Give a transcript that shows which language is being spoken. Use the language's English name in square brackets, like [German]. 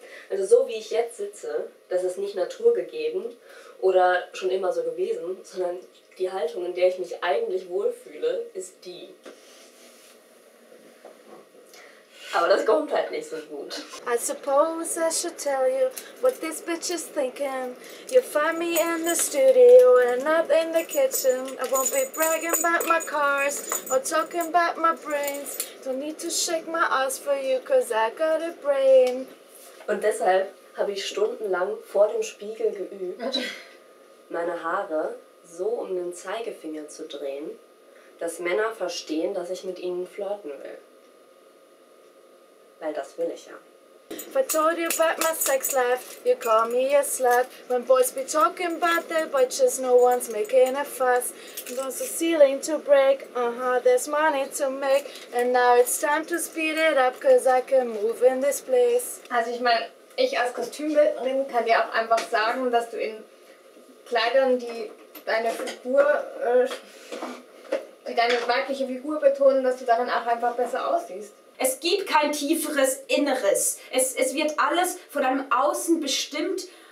[German] Also so wie ich jetzt sitze, das ist nicht naturgegeben oder schon immer so gewesen, sondern die Haltung, in der ich mich eigentlich wohlfühle, ist die. Aber das kommt halt nicht so gut. [English] I suppose I should tell you what this bitch is thinking. You'll find me in the studio and up in the kitchen. I won't be bragging about my cars or talking about my brains. Don't need to shake my ass for you, cause I got a brain. [German] Und deshalb habe ich stundenlang vor dem Spiegel geübt, meine Haare so um den Zeigefinger zu drehen, dass Männer verstehen, dass ich mit ihnen flirten will. Weil das will ich ja. [English] If I told you about my sex life, you call me a slut. When boys be talking about their butches, no one's making a fuss. There's a ceiling to break, there's money to make. And now it's time to speed it up, cause I can move in this place. [German] Also ich meine, ich als Kostümbildnerin kann dir auch einfach sagen, dass du in Kleidern, die deine Figur, die deine weibliche Figur betonen, dass du darin auch einfach besser aussiehst. Es gibt kein tieferes Inneres. Es wird alles von einem Außen bestimmt.